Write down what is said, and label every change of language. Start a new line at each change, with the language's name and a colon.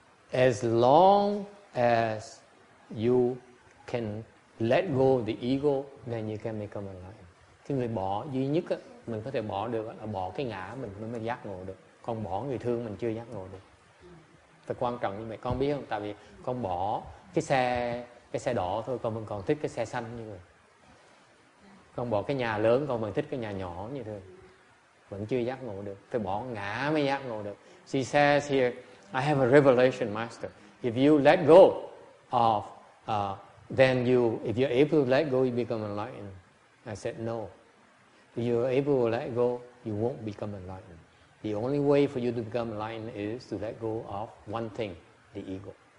English: As long as you can let go of the ego, then you can become enlightened.
Vietnamese: Cái người bỏ duy nhất á, mình có thể bỏ được là bỏ cái ngã mình mới giác ngộ được. Còn bỏ người thương mình chưa giác ngộ được. Thật quan trọng như vậy. Con biết không? Tại vì con bỏ cái xe đỏ thôi, con vẫn còn thích cái xe xanh như vậy. Con bỏ cái nhà lớn, con vẫn thích cái nhà nhỏ như thế. Vẫn chưa giác ngộ được. Phải bỏ ngã mới giác ngộ được.
English: She says here, I have a revelation, Master. If you let go of, if you're able to let go, you become enlightened. I said, no. If you're able to let go, you won't become enlightened. The only way for you to become enlightened is to let go of one thing, the ego.